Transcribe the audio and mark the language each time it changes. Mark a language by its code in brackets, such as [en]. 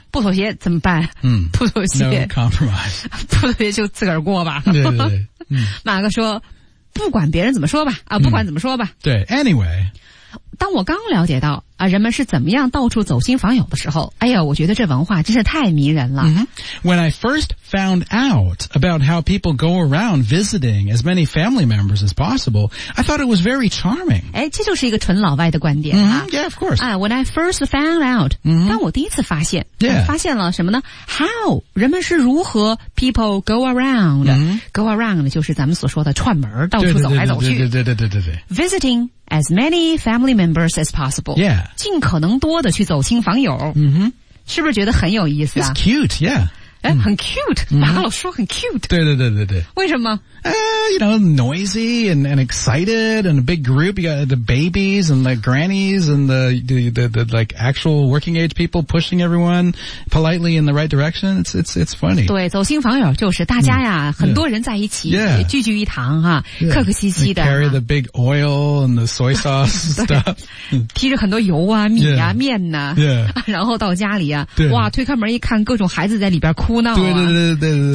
[zh] 不妥协怎么办、不妥协 [en] no compromise [zh] 不妥协就自个儿过吧对对对、马哥说不管别人怎么说吧啊，不管怎么说吧、对 anyway 当我刚了解到啊，人们是怎么样到处走亲访友的时候，哎呀，我觉得这文化真是太迷人了。 Mm-hmm. [en] When I first found out about how people go around visiting as many family members as possible, I thought it was very charming. [zh] 哎，这就是一个纯老外的观点啊。 [en] Mm-hmm. Yeah, of course. 啊、when I first found out,、 [zh] 当我第一次发现、 [en] yeah. [zh] 发现了什么呢 ？How 人们是如何 [en] people go around?、Go around [zh] 就是咱们所说的串门，到处走来走去。对对对对对对。 [en] Visiting as many family members as possible. Yeah. [zh] 尽可能多的去走亲访友、是不是觉得很有意思啊 [en] It's cute, yeah、 [zh] 很 cute、马老说很 cute 对对对对对为什么、 [en] You know, noisy and excited and a big group You got the babies and the grannies and the like actual working age people pushing everyone politely in the right direction It's funny [zh] 对走亲访友就是大家呀、很多人在一起、聚聚一堂哈、客客气气的 [en] carry the big oil and the soy sauce stuff [zh] 提着很多油啊米啊、面呢、然后到家里啊哇推开门一看各种孩子在里边哭闹啊对对对对对对